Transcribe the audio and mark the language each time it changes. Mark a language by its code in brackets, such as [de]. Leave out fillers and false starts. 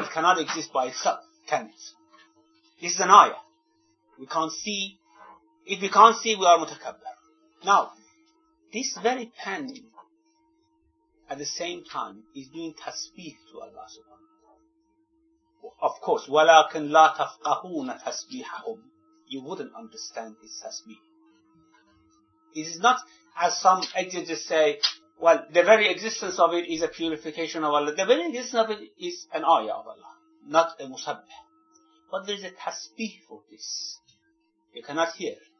[en] It cannot exist by itself, can it? This is an ayah. We can't see. If we can't see, we are mutakabbar. Now, this very pen, at the same time, is doing tasbih to Allah subhanahu wa ta'ala. Of course, [ar] وَلَكِنْ لَا تَفْقَهُونَ تَسْبِيحَهُمْ. [en] You wouldn't understand this tasbih. It is not, as some exegetists say, well, the very existence of it is a purification of Allah. The very existence of it is an ayah of Allah, not a musabbih. But there is a tasbih for this. You cannot hear.